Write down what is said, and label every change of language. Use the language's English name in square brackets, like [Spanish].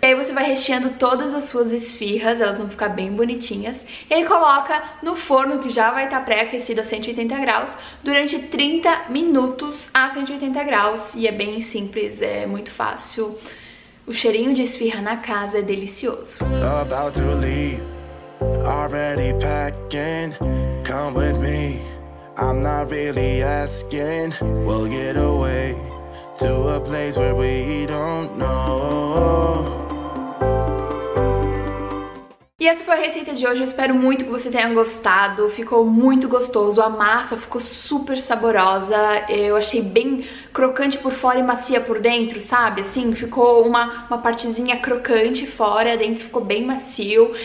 [Portuguese] E aí você vai recheando todas as suas esfirras, elas vão ficar bem bonitinhas, e aí coloca no forno, que já vai estar pré-aquecido a 180 graus, durante 30 minutos a 180 graus, e é bem simples, é muito fácil. O cheirinho de esfirra na casa é delicioso. [English] About to leave, already packing, come with me, I'm not really asking, we'll get away. To a place where we don't know. [Portuguese] E essa foi a receita de hoje, eu espero muito que você tenha gostado, ficou muito gostoso, a massa ficou super saborosa, eu achei bem crocante por fora e macia por dentro, sabe? Assim, ficou uma partezinha crocante fora, dentro ficou bem macio.